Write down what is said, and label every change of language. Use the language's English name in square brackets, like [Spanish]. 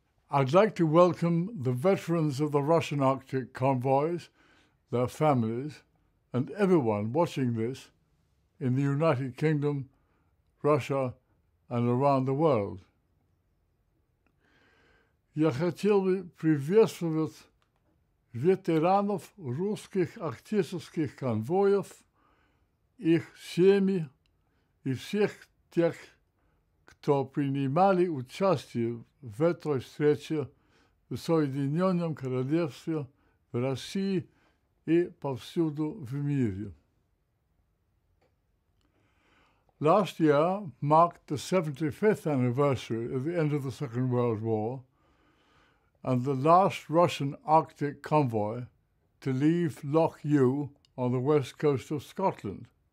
[English] I'd like to welcome the veterans of the Russian Arctic convoys, their families, and everyone watching this in the United Kingdom, Russia, and around the world. [Russian] Я хотел бы приветствовать ветеранов русских арктических конвоев, их семьи и всех тех, кто принимали участие в этой встрече в Соединенном Королевстве, в России и повсюду в мире. [English] Last year marked the 75th anniversary of the end of the Second World War, and the last Russian Arctic convoy to leave Loch Ewe on the west coast of Scotland.